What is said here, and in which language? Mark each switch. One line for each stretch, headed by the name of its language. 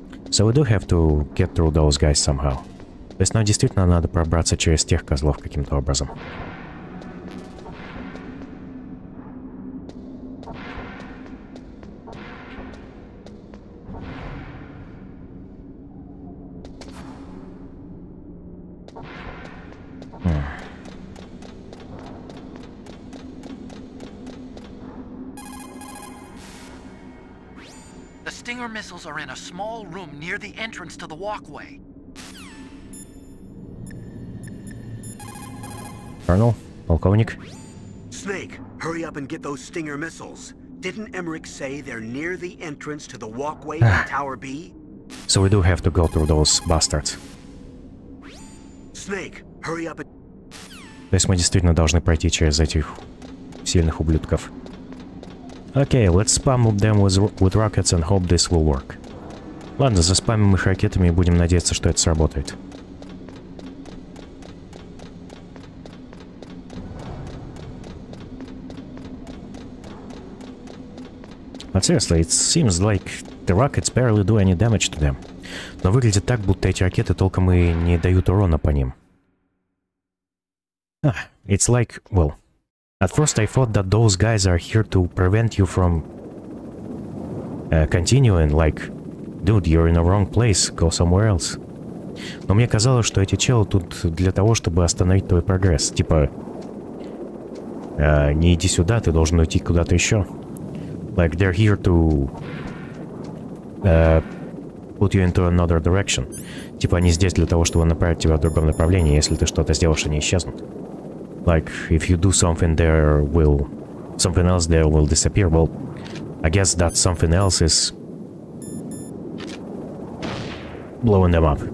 English: So we do have to get through those guys somehow.
Russian: То есть нам действительно надо пробраться через тех козлов каким-то образом.
English: The Stinger missiles are in a small room near the entrance to the walkway. Colonel,
Russian: полковник.
English: Snake, hurry up and get those Stinger missiles. Didn't Emmerich say they're near the entrance to the walkway in Tower B? So we do have to go through those bastards. Snake, hurry up and...
Russian: То есть мы действительно должны пройти через этих сильных ублюдков.
English: Okay, let's spam them with rockets and hope this will work.
Russian: Ладно, заспамим их ракетами и будем надеяться, что это сработает.
English: But seriously, it seems like the rockets barely do any damage to them.
Russian: Но выглядит так, будто эти ракеты толком и не дают урона по ним.
English: Ah, it's like, well, at first I thought that those guys are here to prevent you from continuing, like, dude, you're in the wrong place, go somewhere else.
Russian: Но мне казалось, что эти челы тут для того, чтобы остановить твой прогресс. Типа, не иди сюда, ты должен уйти куда-то еще.
English: Like, they're here to put you into another direction.
Russian: Типа, они здесь для того, чтобы направить тебя в другом направлении. Если ты что-то сделаешь, они исчезнут.
English: Like, if you do something, there will... Something else there will disappear. Well, I guess that something else is... Blowing them up.